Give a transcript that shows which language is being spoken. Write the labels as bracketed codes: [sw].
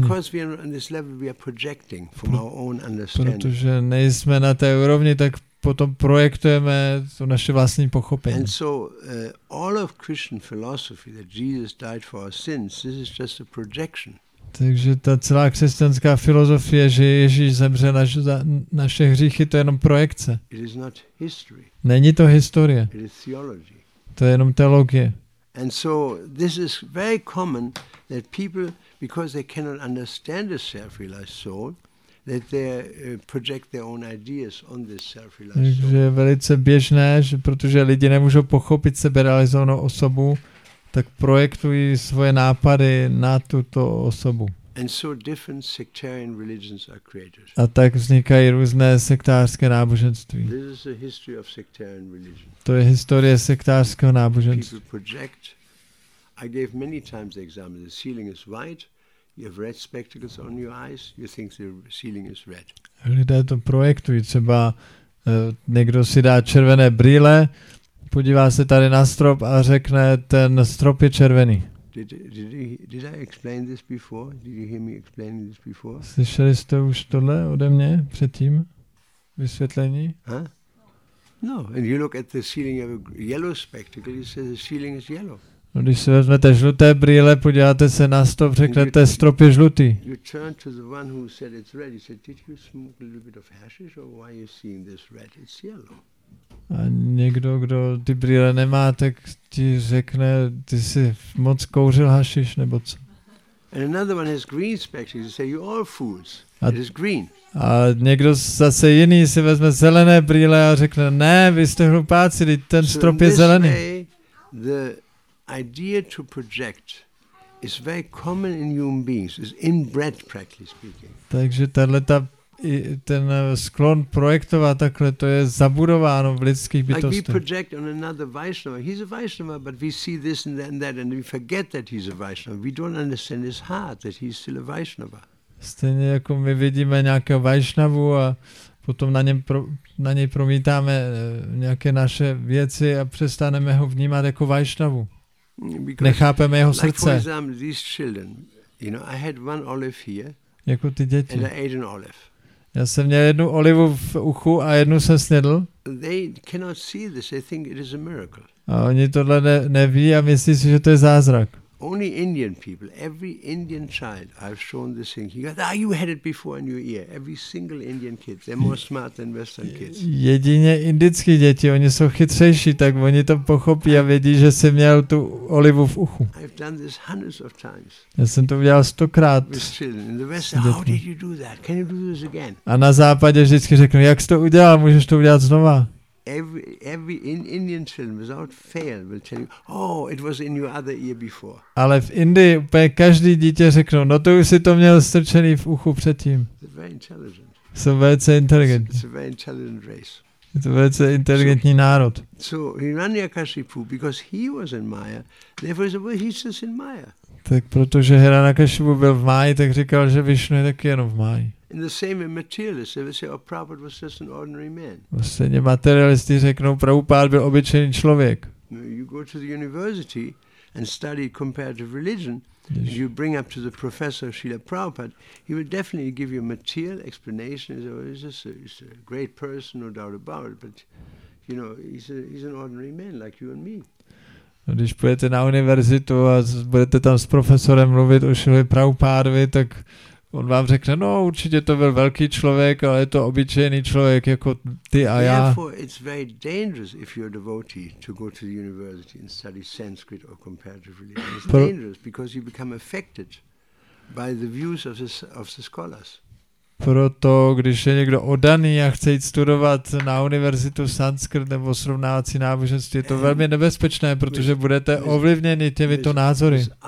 [en] Because we are not on this level, we are projecting from our own understanding. [cs] Protože nejsme na té úrovni, tak potom projektujeme to naše vlastní pochopení. [en] And so all of Christian philosophy that Jesus died for our sins, this is just a projection. [cs] Takže ta celá křesťanská filozofie, že Ježíš zemřel za naše hříchy, to je jenom projekce. [en] It is not history. [cs] Není to historie. [en] It is theology. [cs] To je jenom teologie. [en] And so this is very common that people, because they cannot understand a self-realized soul, that they project their own ideas on this self-realized soul. [cs] Takže je velice běžné, že protože lidi nemůžou pochopit seberealizovanou osobu, tak projektují svoje nápady na tuto osobu. [en] And so different sectarian religions are created. [cs] A tak vznikají různé sektářské náboženství. [en] This is a history of sectarian religion. [cs] To je historie sektářského náboženství. [en] People project. I gave many times the example. The ceiling is white. You have red spectacles on your eyes. You think the ceiling is red. [cs] Lidé to projektují. Třeba někdo si dá červené brýle, podívá se tady na strop a řekne, ten strop je červený. [en] Did I explain this before? Did you hear me explaining this before? [cs] Slyšeli jste už tohle ode mě předtím? Vysvětlení? Huh? [en] No, and you look at the ceiling of a yellow spectacle, you say the ceiling is yellow. [cs] No, když si vezmete žluté brýle, podíváte se na strop, řeknete, strop je žlutý. [en] You turn to the one who said it's red, you said, did you smoke a little bit of hashish or why are you seeing this red? It's yellow. [cs] A někdo, kdo ty brýle nemá, tak ti řekne, ty jsi moc kouřil hašiš, nebo co? [en] And another one has green spectacles. You say you are fools. It is green. [cs] A někdo zase jiný si vezme zelené brýle a řekne, ne, vy jste hlupáci, ten strop je zelený. [en] So in this way, the idea to project is very common in human beings. It's inbred, practically speaking. [cs] Takže tato i ten sklon projektovat takhle, to je zabudováno v lidských bytostech. [en] Like we project on another Vaishnava. He's a Vaishnava, but we see this and then that and we forget that he's a Vaishnava. We don't understand his heart, that he's still a Vaishnava. [cs] Stejně jako my vidíme nějakého Vaishnavu a potom na něj promítáme nějaké naše věci a přestaneme ho vnímat jako Vaishnavu. Nechápeme jeho srdce. [en] Like for example, these children, you know, I had one olive here. [cs] Jako ty děti. [en] And I ate an olive. [cs] Já jsem měl jednu olivu v uchu a jednu jsem snědl. [en] They cannot see this. They think it is a miracle. [cs] A oni tohle neví a myslí si, že to je zázrak. [en] Only Indian people, every Indian child, I've shown this thing. He goes, you had it before in your ear. Every single Indian kid, they're more smart than Western kids. [cs] Jedině indický děti, oni jsou chytřejší, tak oni to pochopí a vědí, že jsem měl tu olivu v uchu. [en] I've done this hundreds of times. [cs] Já jsem to udělal stokrát. [en] In the West, how did you do that? Can you do this again? [cs] A na západě vždycky řeknu, jak jsi to udělal, můžeš to udělat znova. [en] Every in Indian film without fail will tell you, oh, it was in your other ear before. [cs] Ale v Indii úplně každý dítě řeknou, no to už si to měl strčený v uchu předtím. [en] They're very intelligent. [cs] Jsou velice inteligentní. [en] It's a very intelligent race. [cs] Je to velice inteligentní národ. [en] So Hiranyakashipu, because he was in Maya, therefore he said, he's just in Maya. [cs] Tak protože Hiranyakashipu byl v Máji, tak říkal, že Vishnu je taky jenom v Máji. [en] In the same way, materialists, they would say, oh, Prabhupada was just an ordinary man. [cs] Vlastně materialisti řeknou, Prabhupada byl obyčejný člověk. [en] You go to the university and study comparative religion, and you bring up to the professor Srila Prabhupada, he will definitely give you a material explanation. He says, oh, he's a great person, no doubt about it, but, you know, he's an ordinary man like you and me. [cs] No, když půjdete na univerzitu a budete tam s profesorem mluvit o Šrile Prabhupádovi, tak on vám řekne, no určitě to byl velký člověk, ale je to obyčejný člověk jako ty a já. [en] Therefore it's very dangerous if you're a devotee to go to the university and study Sanskrit or comparative religion. It's dangerous because you become affected by the views of the scholars. [cs] Proto, když je někdo oddaný a chce jít studovat na univerzitu sanskrt nebo srovnávací náboženství, je to velmi nebezpečné, protože budete ovlivněni těmito názory.